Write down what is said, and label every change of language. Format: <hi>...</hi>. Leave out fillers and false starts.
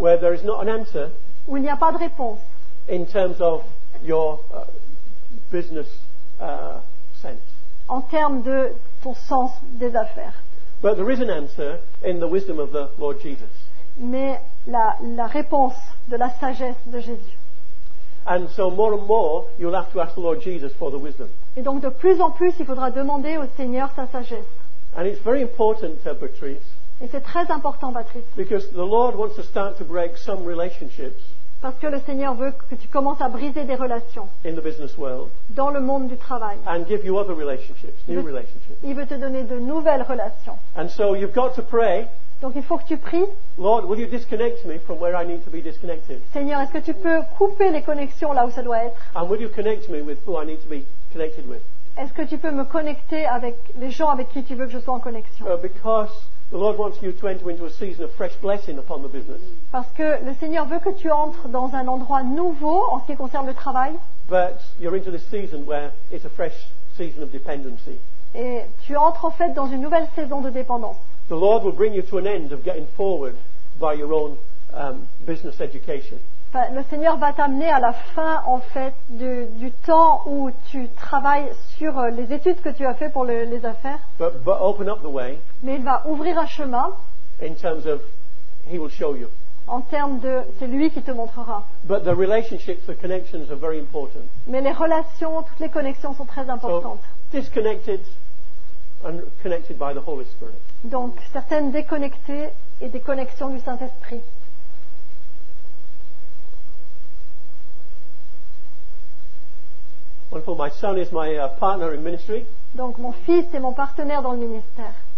<en>where there is not an answer</en> <fr>où il n'y a pas de réponse</fr> <en>in terms of your business sense.</en> <fr>En termes de ton sens des affaires.</fr> <en>But there is an answer in the wisdom of the Lord Jesus.</en> <fr>Mais la réponse de la sagesse de Jésus.</fr> <en>And so more and more you'll have to ask the Lord Jesus for the wisdom.</en> <fr>Et donc de plus en plus il faudra demander au Seigneur sa sagesse.</fr> <en>And it's very important, Patrice.</en> <fr>Et c'est très important, Patrice.</fr> <en>Because the Lord wants to start to break some relationships.</en> <fr>Parce que le Seigneur veut que tu commences à briser des relations.</fr> <en>In the business world.</en> <fr>Dans le monde du travail.</fr> <en>And give you other relationships, new relationships.</en> <fr>Il veut te donner de nouvelles relations.</fr> <en>And so you've got to pray.</en> <fr>Donc il faut que tu pries.</fr> <en>Lord, will you disconnect me from where I need to be disconnected?</en> <fr>Seigneur, est-ce que tu peux couper les connexions là où ça doit être?</fr> <en>And will you connect me with who I need to be connected with?</en> <fr>Est-ce que tu peux me connecter avec les gens avec qui tu veux que je sois en connexion?</fr> <en>Because the Lord wants you to enter into a season of fresh blessing upon the business.</en> <fr>Parce que le Seigneur veut que tu entres dans un endroit nouveau en ce qui concerne le travail.</fr> <en>But you're into this season where it's a fresh season of dependency.</en> <fr>Et tu entres en fait dans une nouvelle saison de dépendance.</fr> <en>The Lord will bring you to an end of getting forward by your own business education.</en> <fr>Le Seigneur va t'amener à la fin en fait du temps où tu travailles sur les études que tu as fait pour les affaires.</fr> <en>But open up the way.</en> <fr>Mais il va ouvrir un chemin.</fr> <en>In terms of, he will show you.</en> <fr>En termes de, c'est lui qui te montrera.</fr> <en>But the relationships, the connections are very important.</en> <fr>Mais les relations, toutes les connexions sont très importantes.</fr> <en>So, disconnected and connected by the Holy Spirit.</en> <fr>Donc certaines déconnectées et des connexions du Saint-Esprit.</fr> <en>Wonderful. My son is my partner in ministry.</en> <fr>Donc mon fils est mon partenaire dans le ministère.</fr>